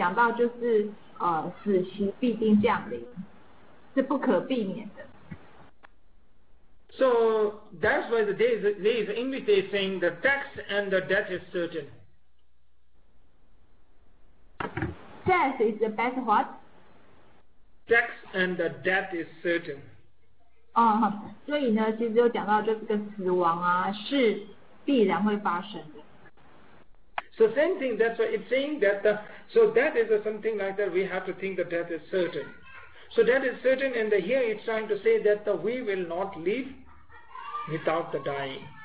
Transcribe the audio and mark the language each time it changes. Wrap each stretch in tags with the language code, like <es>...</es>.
<zh>所以这边有讲到就是死期必定降临。</zh> <en>So that's why the days in English they are saying the text and the death is certain. Death is the best what? Text and the death is certain.</en> <zh>所以呢其实有讲到就是这个死亡啊是必然会发生的。</zh> <en>So same thing, that's why it's saying that the so that is a something like that we have to think the death is certain. So that is certain, and here it's trying to say that we will not live without the dying.</en>